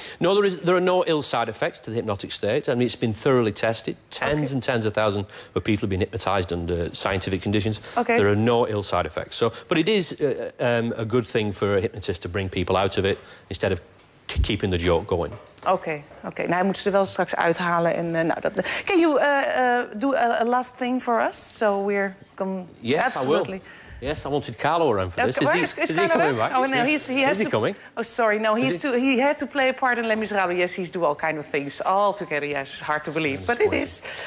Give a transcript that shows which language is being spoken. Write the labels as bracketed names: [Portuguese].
[English] No, there are no ill side effects to the hypnotic state. I mean, it's been thoroughly tested. Tens and tens of thousands of people have been hypnotized under scientific conditions. Okay. There are no ill side effects. So, but it is a good thing for a hypnotist to bring people out of it instead of keeping the joke going. Okay. [Dutch] Nou, hij moet ze er wel straks uithalen en nou dat. [English] Can you do a last thing for us? So we're come. Yes, absolutely. I will. Yes, I wanted Carlo around for this. Is he coming back? Oh no, he has to. Oh sorry, no, he had to play a part in Les Miserables. Yes, he's do all kind of things all together. Yes, it's hard to believe, but it is.